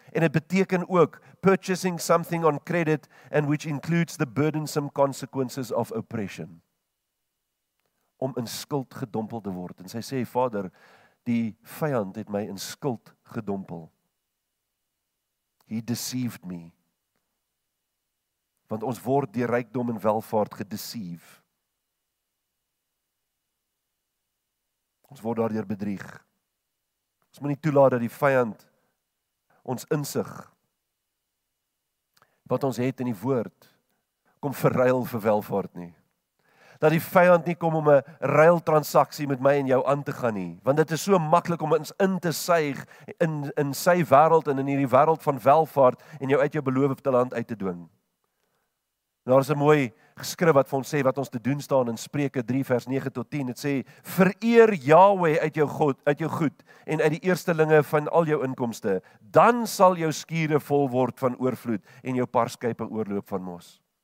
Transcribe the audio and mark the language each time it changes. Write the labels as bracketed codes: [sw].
[af] En dit beteken ook, [en] purchasing something on credit and which includes the burdensome consequences of oppression. [af] Om in skuld gedompel te word. En sy sê, Vader, die vyand het my in skuld gedompel. [en] He deceived me. [af] Want ons word deur rykdom en welvaart gedeceive. Ons word daardeur bedrieg. Ons moet nie toelaat dat die vyand ons insig wat ons het in die woord kom verruil vir welvaart nie. Dat die vyand nie kom om 'n ruiltransaksie met my en jou aan te gaan nie, want dit is so maklik om ons in te suig in sy wêreld en in hierdie wêreld van welvaart en jou uit jou beloofde land uit te dwing. Daar is 'n mooi geskrif wat vir ons sê wat ons te doen staan in Spreuke 3 vers 9 tot 10. Dit sê: "Vereer Yahweh uit jou God, uit jou goed en uit die eerstelinge van al jou inkomste, dan sal jou skure vol word van oorvloed en jou parskype oorloop van mos."